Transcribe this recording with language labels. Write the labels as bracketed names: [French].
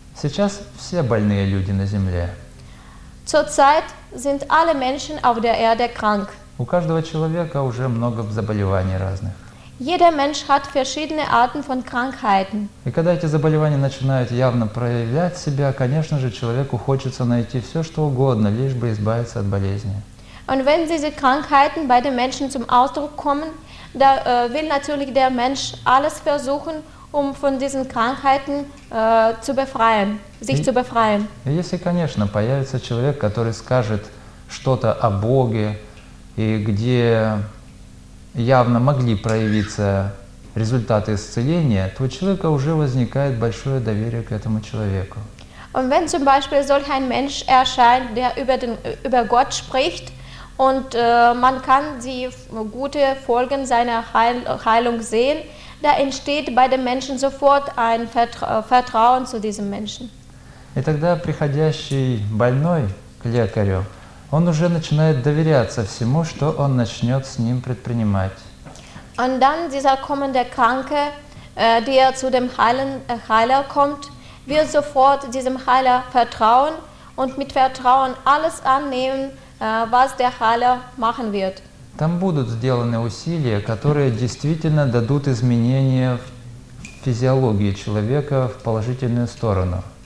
[Russian] Сейчас все больные люди на земле. [German] Zurzeit sind alle Menschen auf der Erde krank. [Russian] У каждого человека уже много заболеваний разных. [German] Jeder Mensch hat verschiedene Arten von Krankheiten. [Russian] И когда эти заболевания начинают явно проявлять себя, конечно же, человеку хочется найти все, что угодно, лишь бы избавиться от болезни. [German] Und wenn diese Krankheiten bei den Menschen zum Ausdruck kommen, da will natürlich der Mensch alles versuchen, um von diesen Krankheiten zu befreien, sich zu befreien. [Russian] Если, конечно, появится человек, который скажет что-то о Боге и где явно могли проявиться результаты исцеления, то у человека уже возникает большое доверие к этому человеку. [German] Und wenn zum Beispiel solch ein Mensch erscheint, der über Gott spricht, und man kann die gute Folgen seiner Heilung sehen, da entsteht bei dem Menschen sofort ein Vertrauen zu diesem Menschen. [Russian] И тогда приходящий больной к лекарю, он уже начинает доверяться всему, что он начнет с ним предпринимать. [German] Und dann dieser kommende Kranke, der zu dem Heiler kommt, wird sofort diesem Heiler vertrauen und mit Vertrauen alles annehmen, was der Heiler machen wird. [Russian] Там будут сделаны усилия, которые действительно дадут изменения в физиологии человека в положительную сторону.